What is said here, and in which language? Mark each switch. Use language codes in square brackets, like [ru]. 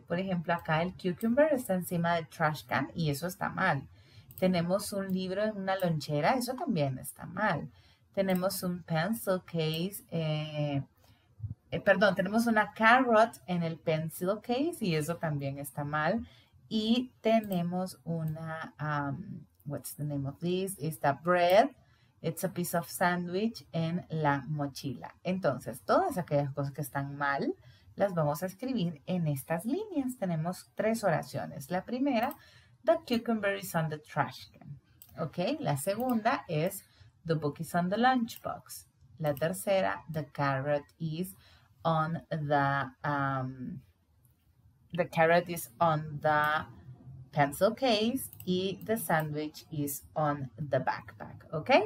[es] Por ejemplo, acá el cucumber está encima del trash can y eso está mal. Tenemos un libro en una lonchera. Eso también está mal. Tenemos un pencil case. Perdón, tenemos una carrot en el pencil case y eso también está mal. Y tenemos una, [en] what's the name of this? [es] Está [en] bread. It's a piece of sandwich [es] en la mochila. Entonces, todas aquellas cosas que están mal, las vamos a escribir en estas líneas. Tenemos tres oraciones. La primera, [en] the cucumber is on the trash can. ¿Ok? [es] La segunda es, [en] the book is on the lunchbox. [es] La tercera, [en] the carrot is on the carrot is on the pencil case y the sandwich is on the backpack. ¿Ok?